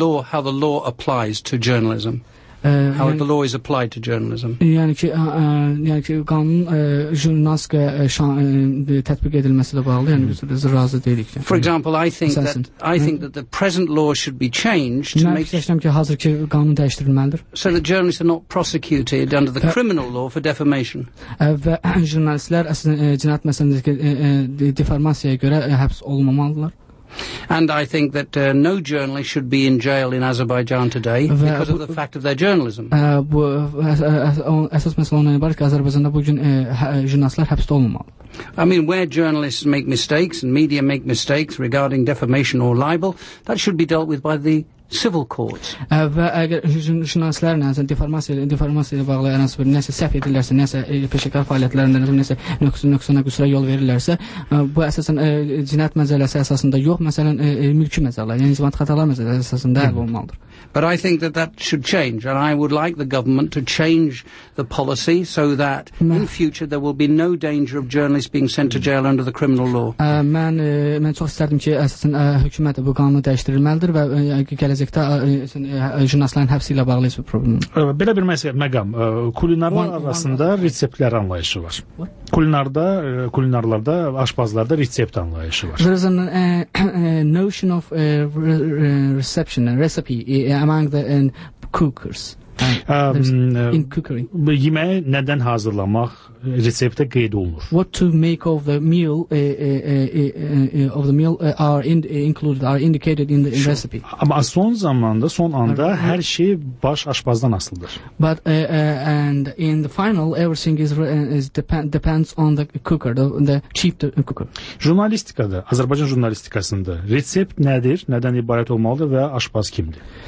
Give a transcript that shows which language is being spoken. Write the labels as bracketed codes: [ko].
[en] how the law applies to journalism. How the law is applied to journalism. [az] Yəni ki, qanun jurnalistikaya tətbiq edilməsi ilə bağlı, yəni biz razı deyilik. [en] For example, I think that the present law should be changed to make... [az] Mən fikirləşirəm ki, hazır ki, qanun dəyişdirilməlidir. [en] So that journalists are not prosecuted under the criminal law for defamation. [az] Və jurnalistlər əslində cinayət məsələsindəki deformasiyaya görə həbs olunmamalıdırlar. [en] And I think that no journalist should be in jail in Azerbaijan today because of the fact of their journalism. [az] Əsas məsələ ondan ibarət ki, Azərbaycanda bugün jurnalistlər həbsdə olmamalı. [en] I mean, where journalists make mistakes and media make mistakes regarding defamation or libel, that should be dealt with by the civil courts. [az] Və əgər şünaslər nəsə deformasiya ilə bağlı hər hansı bir nəsə səhv edirlərsə, nəsə peşəkar fəaliyyətlərində nəsə nöqsana qüsura yol verirlərsə, bu əsasən cinayət məcəlləsi əsasında yox, məsələn mülki məcəllə, yəni nizamat xətalar məcəlləsi əsasında həll olmalıdır. [en] But I think that that should change, and I would like the government to change the policy so that in future there will be no danger of journalists being sent to jail under the criminal law. [az] Mən çox istərdim ki, əsasən hökumət bu qanunu dəyişdirməlidir və gələcəkdə jurnalistlərin həbsi ilə bağlı heç bir problem yoxdur. Belə bir məqam, kulinarlar arasında reseptlər anlayışı var. Kulinarda, kulinarlarda, aşbazlarda resept anlayışı var. [en] There is an notion of reception and recipe among the cookers. In cookery. [az] Yeməyi nədən hazırlamaq reseptə qeyd olunur. [en] What to make of the meal are indicated in the recipe. [az] Amma son zamanda, son anda hər şey baş aşbazdan asılıdır. [en] But and in the final everything depends on the cooker, the chief cooker. [az] Jurnalistikada, Azərbaycan jurnalistikasında resept nədir, nədən ibarət olmalıdır və aşbaz kimdir?